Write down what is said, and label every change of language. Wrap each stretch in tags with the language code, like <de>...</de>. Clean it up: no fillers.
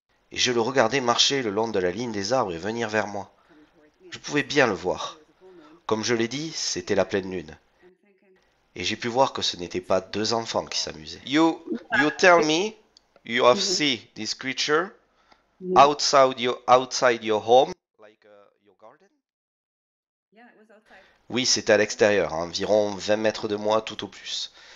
<fr>Et je le regardais marcher le long de la ligne des arbres et venir vers moi. Je pouvais bien le voir. Comme je l'ai dit, c'était la pleine lune. Et j'ai pu voir que ce n'étaient pas deux enfants qui s'amusaient.</fr> <en>You tell me you have seen this creature outside your home, like your garden? Yeah, it was outside.</en> <fr>Oui, c'était à l'extérieur, à environ 20 mètres de moi, tout au plus.</fr>